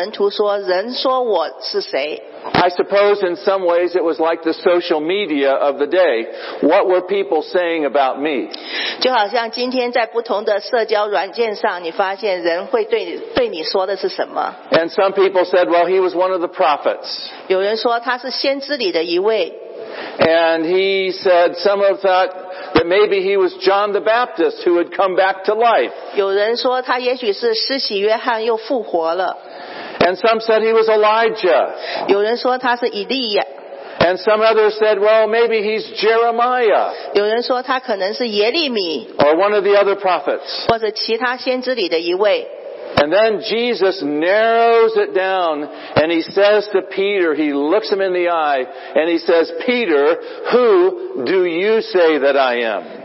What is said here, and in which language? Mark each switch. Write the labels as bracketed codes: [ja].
[zh] 当耶稣四处传道医病的时候，他问他的门徒说：“人说我是谁？” [en] I suppose in some ways it was like the social media of the day. What were people saying about me? [zh] 就好像今天在不同的社交软件上，你发现人会对你说的是什么？ [en] And some people said, "Well, he was one of the prophets." [zh] 有人说他是先知里的一位。 [en] And he said some of that that maybe he was John the Baptist who had come back to life. [zh] 有人说他也许是施洗约翰又复活了。 [en] And some said he was Elijah. [zh] 有人说他是以利亚。 [en] And some others said, well, maybe he's Jeremiah. [zh] 有人说他可能是耶利米。 [en] Or one of the other prophets. [zh] 或者其他先知里的一位。 [en] And then Jesus narrows it down and he says to Peter, he looks him in the eye and he says, "Peter, who do you say that I am?"